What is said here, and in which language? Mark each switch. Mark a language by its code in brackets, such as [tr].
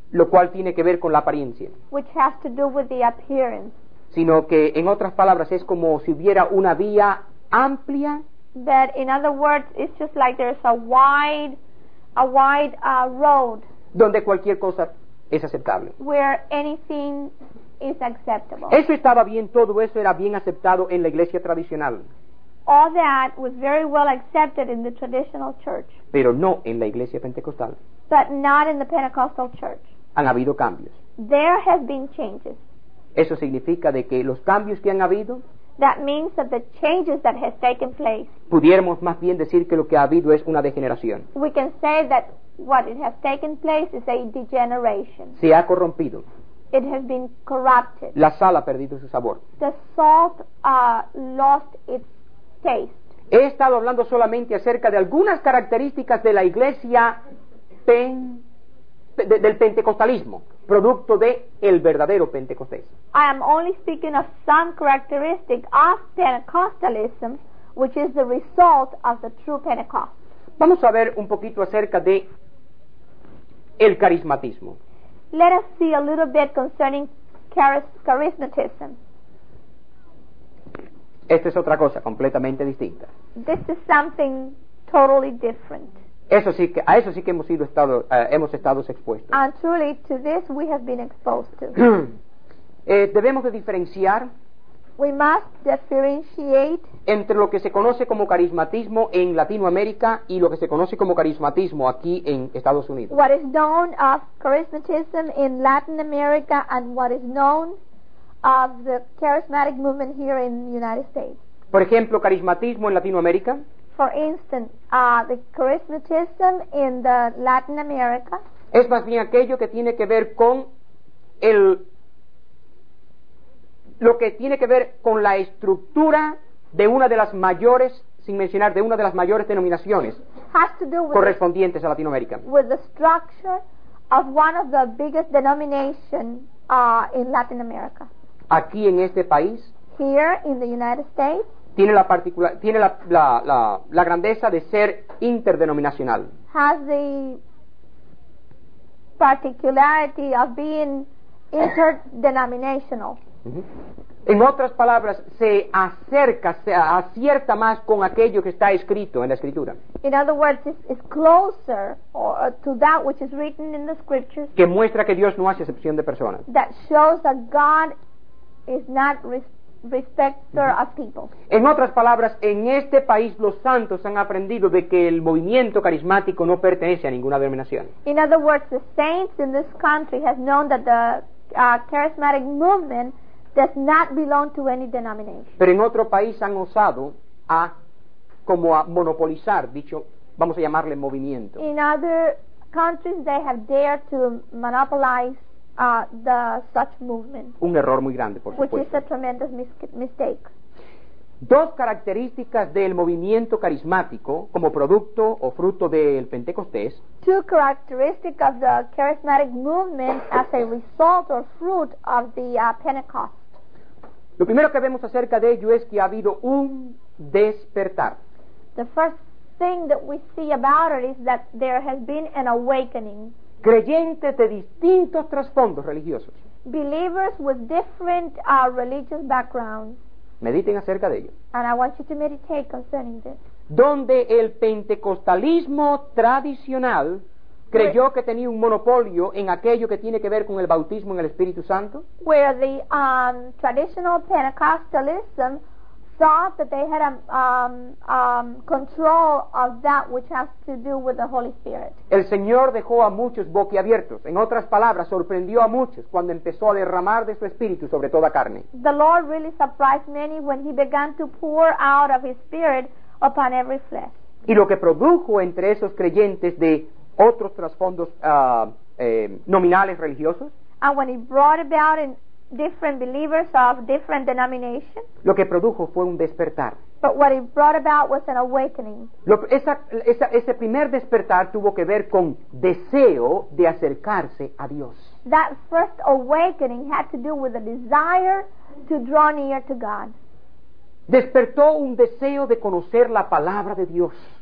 [es] Lo cual tiene que ver con la apariencia. [en] Which has to do with the appearance. [es] Sino que, en otras palabras, es como si hubiera una vía amplia, [en] that in other words it's just like there's a wide road, [es] donde cualquier cosa es aceptable, [en] where anything is acceptable. [es] Eso estaba bien, todo eso era bien aceptado en la iglesia tradicional. [en] All that was very well accepted in the traditional church. [es] Pero no en la iglesia pentecostal. [en] But not in the Pentecostal church. [es] Han habido cambios. [en] There have been changes. [es] Eso significa de que los cambios que han habido, [en] that means that the changes that has taken place, [es] pudiéramos más bien decir que lo que ha habido es una degeneración. [en] We can say that what it has taken place is a degeneration. [es] Se ha corrompido. [en] It has been corrupted. [es] La sal ha perdido su sabor. [en] The salt lost its taste. [es] He estado hablando solamente acerca de algunas características de la iglesia del pentecostalismo, producto de el verdadero Pentecostés. [en] I am only speaking of some characteristic of Pentecostalism, which is the result of the true Pentecost. [es] Vamos a ver un poquito acerca de el carismatismo. [en] Let us see a little bit concerning charismatism. [es] Esta es otra cosa completamente distinta. [en] This is something totally different. [es] Eso sí que, a eso sí que hemos estado expuestos. [en] And truly, to this we have been exposed to. [es] Debemos de diferenciar. [en] We must differentiate [es] entre lo que se conoce como carismatismo en Latinoamérica y lo que se conoce como carismatismo aquí en Estados Unidos. [en] What is known of charismatism in Latin America and what is known of the charismatic movement here in the United States. [es] Por ejemplo, carismatismo en Latinoamérica. [en] For instance, the charismatism in the Latin America [es] es más bien aquello que tiene que ver con el lo que tiene que ver con la estructura de una de las mayores, sin mencionar, de una de las mayores denominaciones correspondientes a Latinoamérica. [en] With the structure of one of the biggest denominations in Latin America. [es] Aquí en este país, [en] here in the United States, [es] tiene la grandeza de ser interdenominacional. [en] Has the particularity of being interdenominational. Uh-huh. [es] En otras palabras, se acierta más con aquello que está escrito en la escritura. [en] In other words, it's closer to that which is written in the scriptures. [es] Que muestra que Dios no hace excepción de personas. [en] That shows that God is not respecter of people. [es] En otras palabras, en este país los santos han aprendido de que el movimiento carismático no pertenece a ninguna denominación. [en] In other words, the saints in this country have known that the charismatic movement does not belong to any denomination. [es] Pero en otro país han osado a monopolizar dicho, vamos a llamarle, movimiento. [en] In other countries they have dared to monopolize the such movement. [es] Un error muy grande, por [en] which [es] supuesto. [en] Which is a tremendous mistake. [es] Dos características del movimiento carismático como producto o fruto del Pentecostés. [en] Two characteristics of the charismatic movement as a result or fruit of the Pentecost. [es] Lo primero que vemos acerca de ello es que ha habido un despertar. [en] The first thing that we see about it is that there has been an awakening. [es] Creyentes de distintos trasfondos religiosos. [en] Believers with different religious backgrounds. [es] Mediten acerca de ello. [en] And I want you to meditate concerning this. [es] Donde el pentecostalismo tradicional creyó que tenía un monopolio en aquello que tiene que ver con el bautismo en el Espíritu Santo. [en] Where the traditional Pentecostalism thought that they had a control of that which has to do with the Holy Spirit. [es] El Señor dejó a muchos boquiabiertos. En otras palabras, sorprendió a muchos cuando empezó a derramar de su espíritu sobre toda carne. [en] The Lord really surprised many when he began to pour out of his spirit upon every flesh. [es] Y lo que produjo entre esos creyentes de otros trasfondos nominales religiosos. [en] And when he brought about in different believers of different denominations. [es] Lo que produjo fue un despertar. [en] But what it brought about was an awakening. [es] Ese primer despertar tuvo que ver con deseo de acercarse a Dios. [en] That first awakening had to do with a desire to draw near to God. [es] Despertó un deseo de conocer la palabra de Dios.